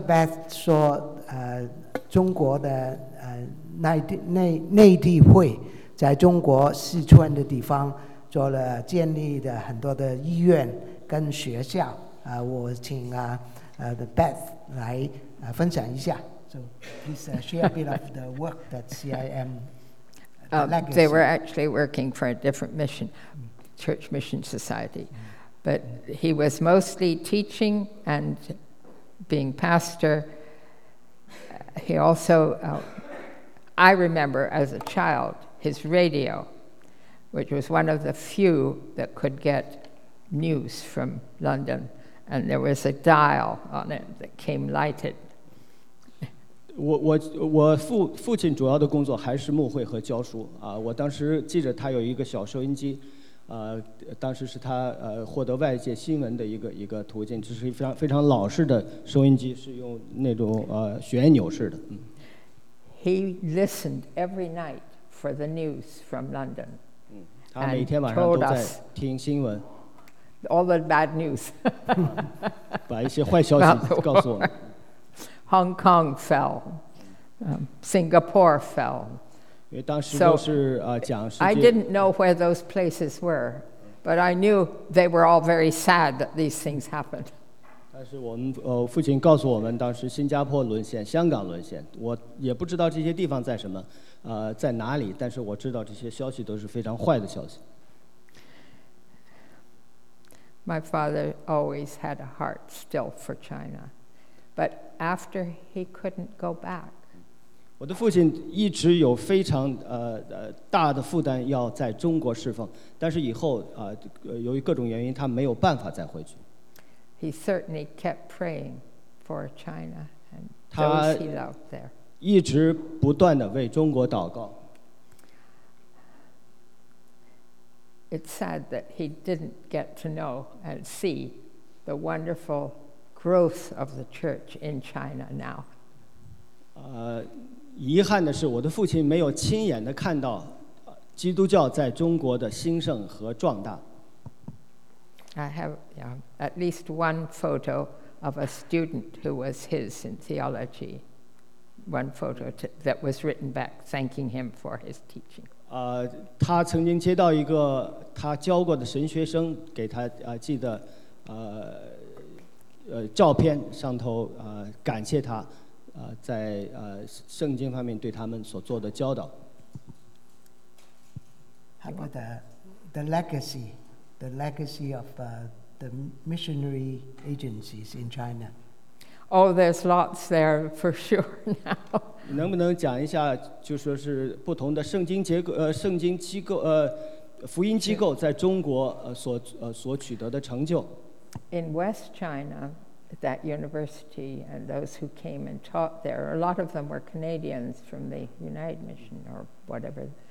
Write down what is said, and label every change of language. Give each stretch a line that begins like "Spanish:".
Chinese: Beth 说中国的内地会在中国四川的地方做了建立的很多的医院跟学校。我请Beth 来分享一下。
English: So please share a bit of the work that CIM. They were actually working for a different mission. Church Mission Society, but he was mostly teaching and being pastor. He also, I remember as a child, his radio, which was one of the few that could get news from London, and there was a dial on it that came lighted.
Chinese: 我父亲主要的工作还是牧会和教书啊。我当时记着他有一个小收音机。当时是他获得外界新闻的一个途径，这是一非常非常老式的收音机，是用那种旋钮式的。
English: He listened every night for the news from London.
Chinese: 他每天晚上都在听新闻。
English: All the bad news.
Chinese: 把一些坏消息告诉我们。
English: Hong Kong fell. Singapore fell.
Chinese: 因为当时都是讲世界。
English: I didn't know where those places were, but I knew they were all very sad that these things happened.
Chinese: 但是我们父亲告诉我们，当时新加坡沦陷，香港沦陷，我也不知道这些地方在什么，在哪里。但是我知道这些消息都是非常坏的消息。
English: My father always had a heart still for China, but after he couldn't go back.
Chinese: 我的父亲一直有非常大的负担要在中国侍奉，但是以后由于各种原因，他没有办法再回去。
English: He certainly kept praying for China and those he loved there.
Chinese: 他一直不断地为中国祷告。
English: It's sad that he didn't get to know and see the wonderful growth of the church in China now.
Chinese: 遗憾的是，我的父亲没有亲眼地看到基督教在中国的兴盛和壮大。
English: I have at least one photo of a student who was his in theology, one photo that was written back thanking him for his teaching.
Chinese: 他曾经接到一个他教过的神学生给他寄的照片，上头感谢他。在圣经方面对他们所做的教导。
English: How about the legacy of the missionary agencies in China? Oh, there's lots there for sure now.
Chinese: 能不能讲一下，就说是不同的圣经结构圣经机构福音机构在中国所取得的成就
English: ？In West China, that university and those who came and taught there. A lot of them were Canadians from the United Mission or whatever.